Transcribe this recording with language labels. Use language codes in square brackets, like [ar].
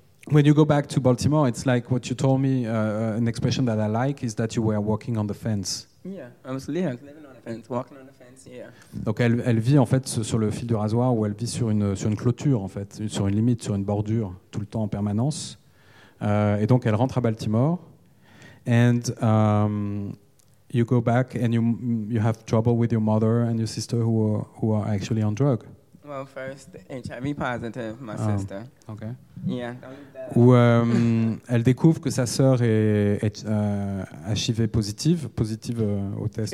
[en] when you go back to Baltimore, it's like what you told me, an expression that I like is that you were walking on the fence. Yeah, I was living on the fence, walking on the fence, yeah. [fr] Donc elle vit en fait sur le fil du rasoir, ou elle vit sur une clôture en fait, sur une limite, sur une bordure, tout le temps en permanence. Et donc elle rentre à Baltimore, [en] and you go back and you have trouble with your mother and your sister who are actually on drug. Well, first, HIV positive, my sister. Okay. Yeah. [fr] Où elle découvre que sa sœur est HIV positive au test.